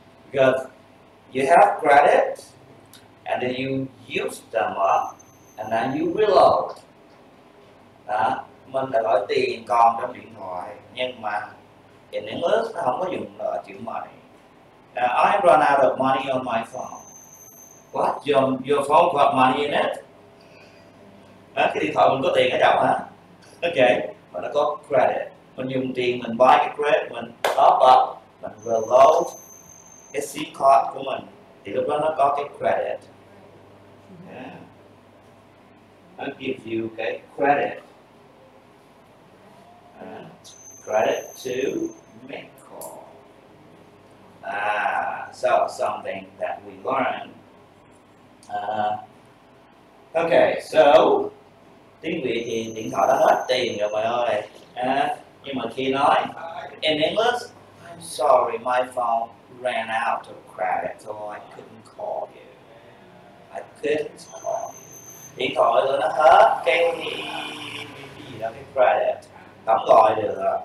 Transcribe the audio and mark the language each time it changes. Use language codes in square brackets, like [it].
[en] Because you have credit and then you use them up and then you reload. [vi] Mình đã gọi tiền còn trong điện thoại, nhưng mà [en] in English [vi] nó không có dùng là chữ money. [en] I run out of money on my phone. What? Your phone got money in it? [vi] Cái điện thoại mình có tiền ở trong hả? Okay, mà nó có credit. Mình dùng tiền, mình buy cái credit, mình top up. Mình reload cái SIM card của mình. thì lúc đó nó có cái credit. [en] Yeah. I'll give you cái credit. Credit to make call. So something that we learn. [vi] Okay, so tiếng Việt thì điện thoại đã hết tiền rồi mọi người. Nhưng mà khi nói [en] in English, I'm sorry, my phone ran out of credit, so I couldn't call you. I couldn't call you. [vi] Điện thoại rồi nó hết cái gì đó cái credit, tắm gọi được.